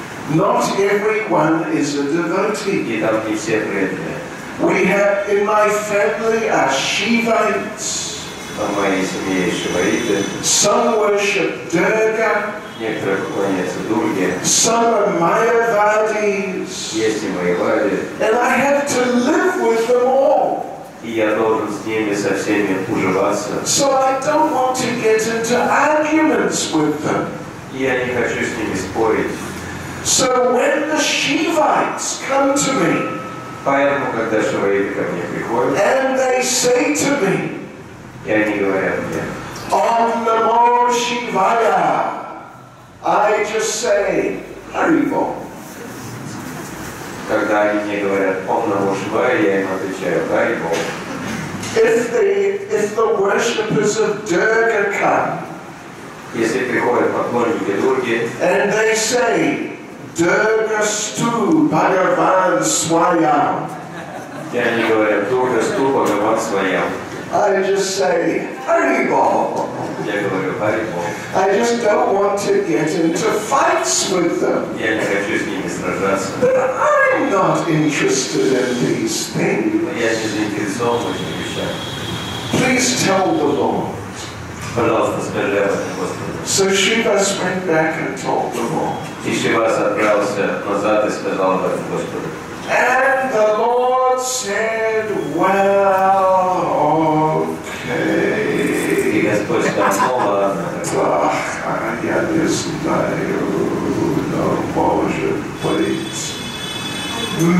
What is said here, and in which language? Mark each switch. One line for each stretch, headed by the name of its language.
English: Not everyone is a devotee.
Russian: И там не все преданные.
English: We have in my family are Shivites.
Russian: В моей семье Шиваиты.
English: Some worship Durga.
Russian: Некоторые поклоняются Дурге.
English: Some are Mayavadis.
Russian: Есть и Майявады.
English: And I have to live with them all.
Russian: И я должен с ними со всеми уживаться.
English: So I don't want to get into arguments with them.
Russian: Я не хочу с ними спорить.
English: So when the Shivites come to me,
Russian: поэтому когда Шиваиты ко мне приходят,
English: and they say to me,
Russian: и они говорят мне,
Sanskrit: Om Namo Shivaya,
English: I just say Hari Bol.
Russian: Когда они мне говорят
Sanskrit: Om Namo Shivaya,
Russian: я им отвечаю Hari Bol.
English: If the worshippers of Durga come,
Russian: если приходят поклонники Дурги,
English: and they say
Sanskrit: Durga Stu Bhagavan Swayam.
Russian: Я не говорю
Sanskrit: Durga Stu Bhagavan Swayam.
English: I just say Hari Bol.
Russian: Я говорю Hari Bol.
English: I just don't want to get into fights with them.
Russian: Я не хочу с ними сражаться.
English: But I'm not interested in these things.
Russian: Я не заинтересован в этих вещах.
English: Please tell the Lord.
Russian: Пожалуйста, скажи об этом Господу.
English: So Shivas went back and told the Lord.
Russian: И Шивас отправился назад и сказал об этом Господу.
English: And the Lord said, well, okay.
Russian: И Господь сказал, ладно. Ах, я не знаю, но может быть.